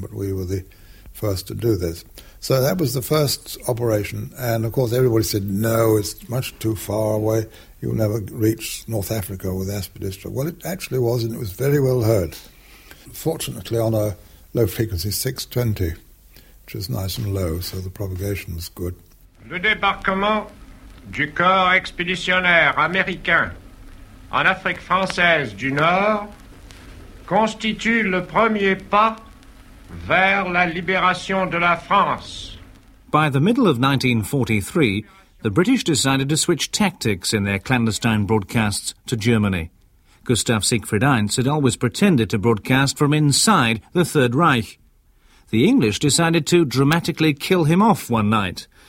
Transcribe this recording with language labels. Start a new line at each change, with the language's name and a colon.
English: But we were the first to do this. So that was the first operation. And, of course, everybody said, no, it's much too far away. You'll never reach North Africa with Aspidistra. Well, it actually was, and it was very well heard. Fortunately, on a low frequency, 620, which was nice and low, so the propagation was good.
French: Le débarquement du corps expéditionnaire américain en Afrique française du Nord, constitue le premier pas vers la libération de la France.
English: By the middle of 1943, the British decided to switch tactics in their clandestine broadcasts to Germany. Gustav Siegfried Eins had always pretended to broadcast from inside the Third Reich. The English decided to dramatically kill him off one night.